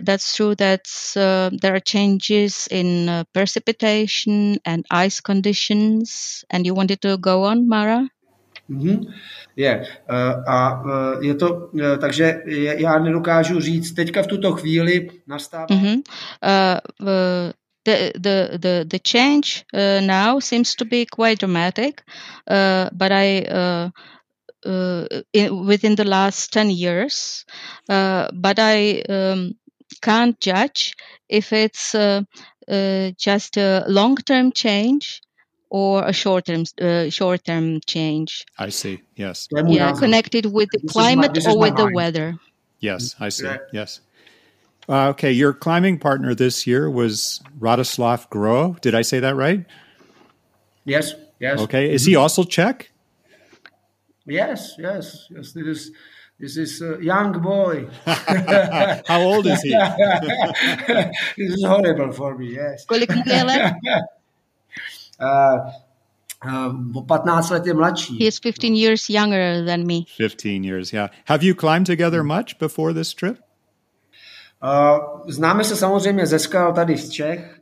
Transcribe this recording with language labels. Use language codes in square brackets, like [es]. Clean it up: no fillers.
[en] That's true that there are changes in precipitation and ice conditions. And you wanted to go on, Mara? Mm-hmm. Yeah. [cs] Je to, takže já nedokážu říct, teďka v tuto chvíli nastává... Mm-hmm. [en] The change now seems to be quite dramatic, but I... within the last 10 years, but I can't judge if it's just a long-term change or a short-term change. I see, yes. Yeah, connected with the climate or with the weather. Yes, I see, yes. Okay, your climbing partner this year was Radoslav Groh. Did I say that right? Yes, yes. Okay, is he also Czech? Yes. This is a young boy. How old is he? This is horrible for me, yes. [cs] Kolik mu je let? O 15 let je mladší. [en] He is 15 years younger than me. 15 years, yeah. Have you climbed together much before this trip? [cs] Známe se samozřejmě ze skal tady z Čech.